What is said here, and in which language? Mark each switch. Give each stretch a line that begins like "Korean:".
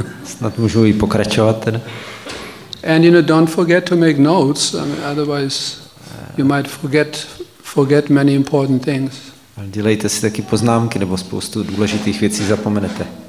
Czech: Snad můžu i pokračovat teda.
English: And you know, don't forget to make notes. I mean, otherwise, you might forget many important things.
Czech: Dělejte si taky poznámky nebo spoustu důležitých věcí zapomenete.